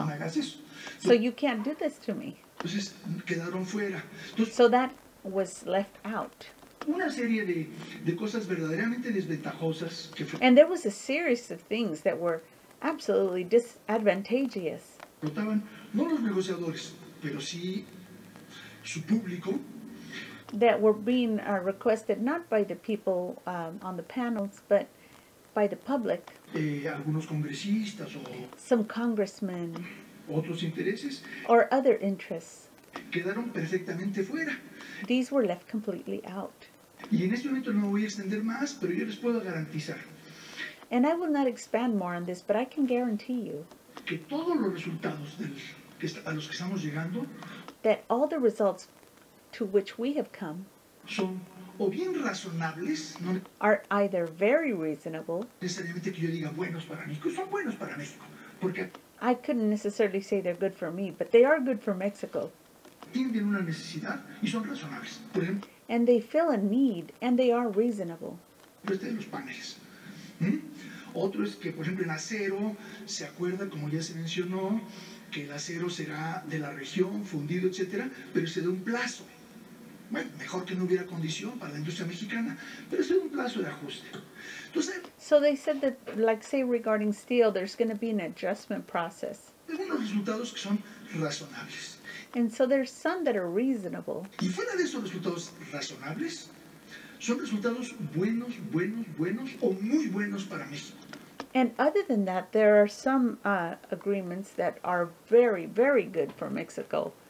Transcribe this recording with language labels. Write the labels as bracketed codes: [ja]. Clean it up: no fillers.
[es] No me hagas eso. [en] So you can't do this to me. [es] Entonces, quedaron fuera. Entonces, [en] so that was left out. [es] Una serie de cosas verdaderamente desventajosas. Que fue, [en] and there was a series of things that were absolutely disadvantageous. [es] Notaban, no los negociadores, pero sí su público. [en] That were being requested not by the people on the panels, but by the public, [es] algunos congresistas o [en] some congressmen, [es] otros intereses, [en] or other interests, [es] quedaron perfectamente fuera. [en] These were left completely out. [es] Y en este momento no me voy a extender más, pero yo les puedo garantizar. [en] And I will not expand more on this, but I can guarantee you [es] que todos los resultados a los que estamos llegando, [en] that all the results to which we have come, [es] son o bien razonables, no, [en] are either very reasonable. [es] Necesariamente que yo diga buenos para México, son buenos para México, porque [en] I couldn't necessarily say they're good for me, but they are good for Mexico. [es] Tienen una necesidad y son razonables. Por ejemplo, [en] and they fill a need and they are reasonable. [es] Este de los paneles. Otro es que, por ejemplo, el acero se acuerda, como ya se mencionó, que el acero será de la región, fundido, etcétera, pero se da un plazo. Bueno, mejor que no hubiera condición para la industria mexicana, pero es un plazo de ajuste. Entonces, [en] so they said that, like say regarding steel, there's going to be an adjustment process. [es] Hay unos resultados que son razonables. [en] And so there's some that are reasonable. [es] Y fuera de esos resultados razonables, son resultados buenos, buenos, buenos o muy buenos para México. [en] And other than that, there are some agreements that are very, very good for Mexico.